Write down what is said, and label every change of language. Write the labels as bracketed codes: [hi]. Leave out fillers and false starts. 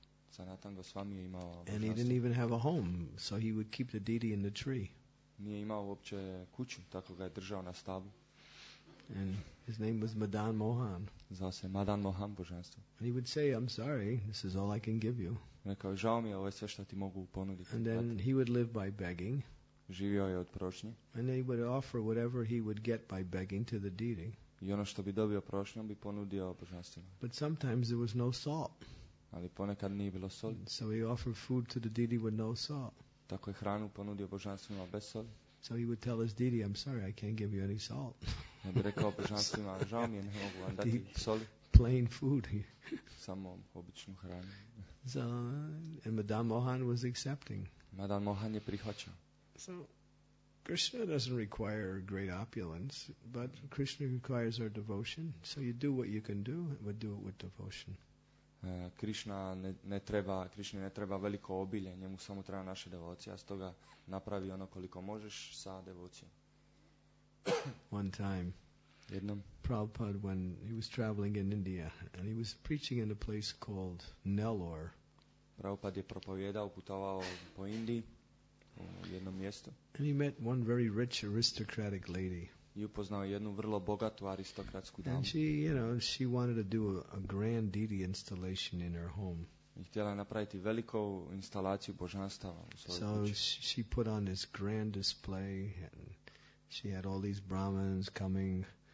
[hr] Sanatan Goswami je imao. [en] And he didn't even have a home, so he would keep the deity in the tree. [hr] Nije imao uopće kuću, tako ga je držao na stablu. [en] And his name was Madan Mohan. [hr] Zvao se Madan Mohan božanstvo. [en] And he would say, "I'm sorry, this is all I can give you." [hr] Rekao, žao mi je, ovo je sve što ti mogu ponuditi. [en] And then he would live by begging. [hr] Živio je od prošnje. [en] And he would offer whatever he would get by begging to the deity. [hr] I ono što bi dobio prošnjom bi ponudio božanstvima. [en] But sometimes there was no salt. [hr] Ali ponekad nije bilo soli. [en] So he offered food to the deity with no salt. [hr] Tako je hranu ponudio božanstvima bez soli. [en] So he would tell his deity, "I'm sorry, I can't give you any salt." [hr] Ja bih rekao božanstvima, žao mi je, ne mogu vam dati soli. [en] Plain food. [hr] Samo običnu hranu. [en] So, and Madame Mohan was accepting. [hr] Madame Mohan je prihvaćao. [en] So, Krishna doesn't require great opulence, but Krishna requires our devotion. So you do what you can do, but do it with devotion. [hr] Krishna ne treba veliko obilje, njemu samo treba naša devocija, stoga napravi ono koliko možeš sa devocijom. [en] One time, [hr] jednom, [en] Prabhupada, when he was traveling in India, and he was preaching in a place called Nellore. [hr] Prabhupada je propovjedao, putovao po Indiji, u jednom mjestu. [en] And he met one very rich aristocratic lady. [hr] I upoznao jednu vrlo bogatu aristokratsku damu. [en] And she, you know, she wanted to do a grand deity installation in her home. [hr] I htjela napraviti veliku instalaciju božanstava u svojoj kući. [en] So she put on this grand display, and she had all these brahmins coming.